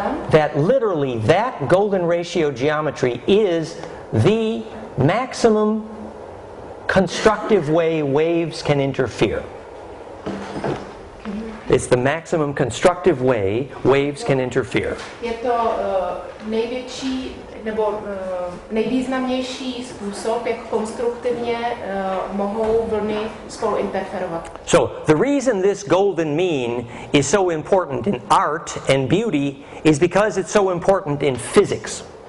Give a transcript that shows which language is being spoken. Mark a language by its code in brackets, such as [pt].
[en] that literally that golden ratio geometry is the maximum constructive way waves can interfere. It's the maximum constructive way waves can interfere. [cs] Je to největší nebo nejvýznamnější způsob, jak konstruktivně mohou vlny spolu interferovat. [en] So, the reason this golden mean is so important in art and beauty is because it's so important in physics.